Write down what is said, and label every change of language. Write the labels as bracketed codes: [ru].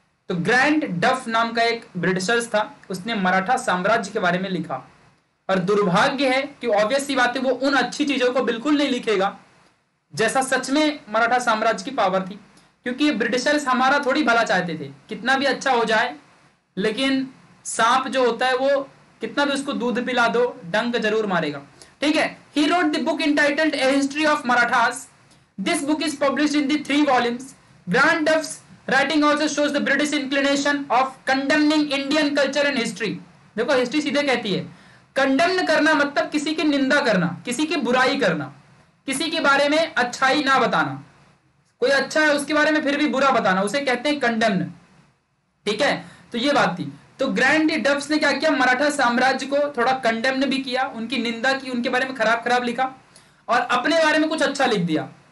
[hi] तो ग्रैंड डफ नाम का एक ब्रिटिशर्स था, उसने मराठा साम्राज्य के बारे में लिखा, और दुर्भाग्य है कि ऑब्वियस सी बात है वो उन अच्छी चीजों को बिल्कुल नहीं लिखेगा जैसा सच में मराठा साम्राज्य की पावर थी, क्योंकि ये ब्रिटिशर्स हमारा थोड़ी भला चाहते थे, कितना भी अच्छा हो जाए लेकिन सांप जो होता है वो कितना भी उसको दूध पिला दो डंक जरूर मारेगा। ठीक है, [en] he wrote the book entitled A History of Marathas. This book is published in the 3 volumes. Grant Duff's writing also shows the British inclination of condemning Indian culture and history. [hi] देखो हिस्ट्री सीधे कहती है, कंडेमन करना मतलब किसी की निंदा करना, किसी की बुराई करना, किसी के बारे में अच्छाई ना बताना, कोई अच्छा है उसके बारे में फिर भी बुरा बताना, उसे कहते हैं कंडेमन। ठीक है, तो ये बात थी। तो ग्रैंड डब्स ने क्या किया, मराठा साम्राज्य को थोड़ा कंडेम्न भी किया, उनकी निंदा की, उनके बारे में खराब खराब लिखा और अपने बारे में कुछ अच्छा लिख दिया।